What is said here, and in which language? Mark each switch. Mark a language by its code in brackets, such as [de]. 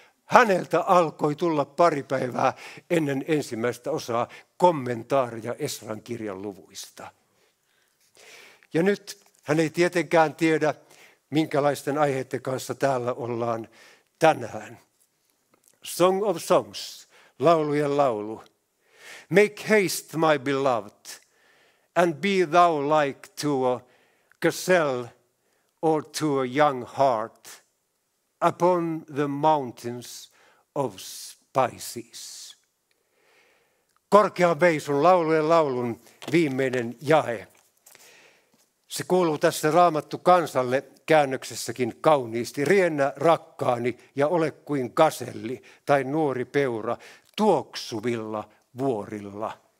[fi] Häneltä alkoi tulla 2 ennen ensimmäistä osaa kommentaaria Esran kirjan luvuista. Ja nyt hän ei tietenkään tiedä, minkälaisten aiheiden kanssa täällä ollaan tänään. [en] Song of Songs, [fi] laulujen laulu. [en] Make haste, my beloved, and be thou like to a gazelle or to a young hart upon the mountains of spices. [fi] Korkea veisun, laulujen laulun viimeinen jae. Se kuuluu tässä Raamattu kansalle käännöksessäkin kauniisti. Riennä rakkaani ja ole kuin gaselli tai nuori peura tuoksuvilla vuorilla.